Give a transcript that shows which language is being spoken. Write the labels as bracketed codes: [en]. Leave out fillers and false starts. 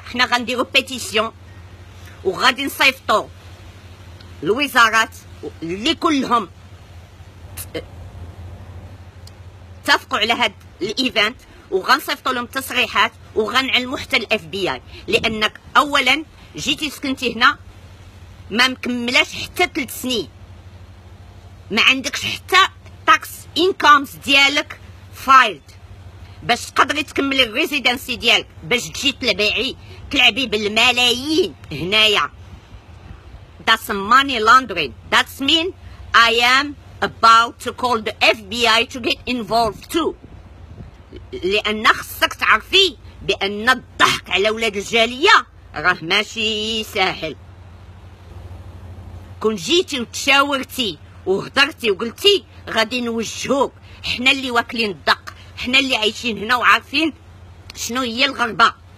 [ar] حنا غنديرو بيتيسيون وغادي نصيفطو الوزارات اللي كلهم اتفقوا على هاد الايفنت، وغنصيفطو لهم تصريحات وغنعلمو حتى الاف بي اي، لانك اولا جيتي سكنتي هنا ما مكملاش حتى 3 سنين، ما عندكش حتى تاكس انكومز ديالك فايلد باش تقدري تكملي الريزيدنسي ديالك، باش تجي تلعبي بالملايين هنايا. [en] That's money laundering. That mean I am about to call the FBI to get involved too. [ar] لأن خصك تعرفي بأن الضحك على ولاد الجالية راه ماشي ساهل. كون جيتي وتشاورتي وهضرتي وقلتي غادي نوجهوك، حنا اللي واكلين الدق، حنا اللي عايشين هنا وعارفين شنو هي الغربة.